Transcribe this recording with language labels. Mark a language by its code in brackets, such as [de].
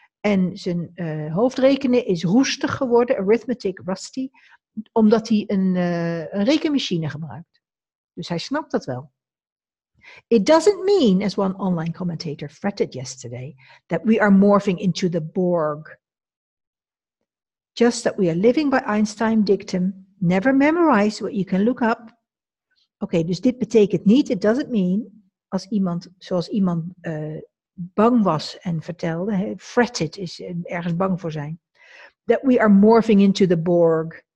[nl] En zijn hoofdrekenen is roestig geworden, [en] arithmetic rusty, [nl] omdat hij een rekenmachine gebruikt. Dus hij snapt dat wel. [en] It doesn't mean, as one online commentator fretted yesterday, that we are morphing into the Borg. Just that we are living by Einstein's dictum, never memorize what you can look up. [nl] Oké, dus dit betekent niet, [en] it doesn't mean, [nl] als iemand, zoals iemand bang was en vertelde, hè, fretted is ergens bang voor zijn, [en] that we are morphing into the Borg.